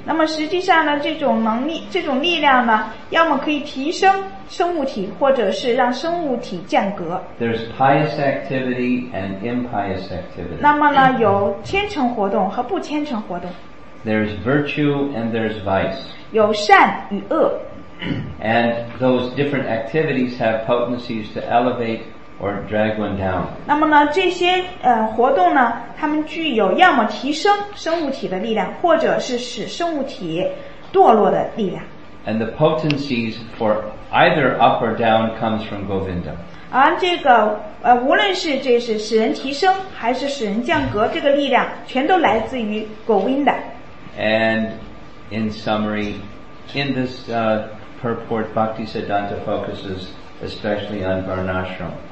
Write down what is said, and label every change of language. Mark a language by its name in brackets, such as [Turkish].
[Chinese] 那么实际上呢，这种能力，这种力量呢，要么可以提升生物体，或者是让生物体降格。 [English] There's pious activity and impious activity. [Chinese] 那么呢，有虔诚活动和不虔诚活动。 [English] There's virtue and there's vice. [Chinese] 有善与恶。 [English] And those different activities have potencies to elevate or drag one down. [Chinese] 那么呢，这些活动呢，它们具有要么提升生物体的力量，或者是使生物体堕落的力量。 [English] And the potencies for either up or down comes from Govinda. [Chinese] 而这个无论是这是使人提升还是使人降格，这个力量全都来自于 Govinda. [English] And in summary, in this purport, Bhaktisiddhanta focuses especially on Varnashram.